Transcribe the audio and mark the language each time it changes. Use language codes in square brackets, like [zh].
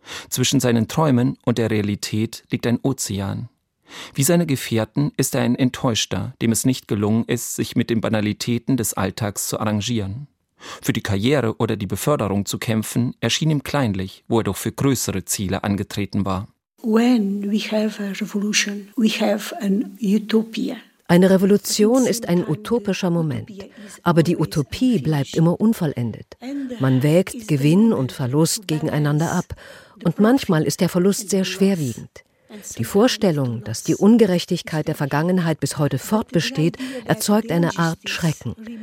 [de] Zwischen seinen Träumen und der Realität liegt ein Ozean. Wie seine Gefährten ist er ein Enttäuschter, dem es nicht gelungen ist, sich mit den Banalitäten des Alltags zu arrangieren. Für die Karriere oder die Beförderung zu kämpfen, erschien ihm kleinlich, wo er doch für größere Ziele angetreten war. [en] When we have a revolution, we have an utopia. [de] Eine Revolution ist ein utopischer Moment, aber die Utopie bleibt immer unvollendet. Man wägt Gewinn und Verlust gegeneinander ab und manchmal ist der Verlust sehr schwerwiegend. Die Vorstellung, dass die Ungerechtigkeit der Vergangenheit bis heute fortbesteht, erzeugt eine Art Schrecken.